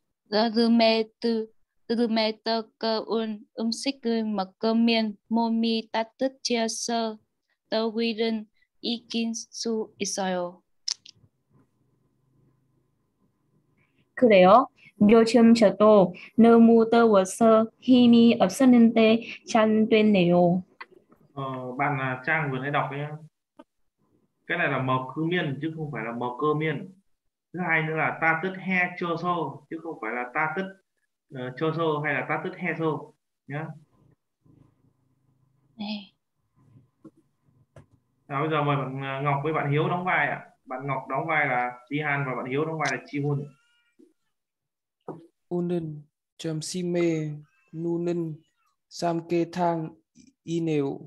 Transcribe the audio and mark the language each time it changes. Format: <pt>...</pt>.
<ko>여름에 뜨거운 음식은 먹으면 몸이 따뜻해져서 더위를 이길 수 있어요. 그래요? 요즘 저도 너무 더워서 힘이 없었는데 잘 됐네요.</ko> <vi>뭐 là Trang vừa nãy đọc ấy. Cái này là mộc cư miên chứ không phải là mộc cơ miên. Thứ hai nữa là ta tứt he chơ sơ chứ không phải là ta tứt chơ sơ hay là ta tứt he sơ nhá. Này. Nào bây giờ mời bạn Ngọc với bạn Hiếu đóng vai ạ. Bạn Ngọc đóng vai là Di Han và bạn Hiếu đóng vai là Chi Hun.</vi> <ko>오늘 점심에 누는 삼계탕이네요.</ko>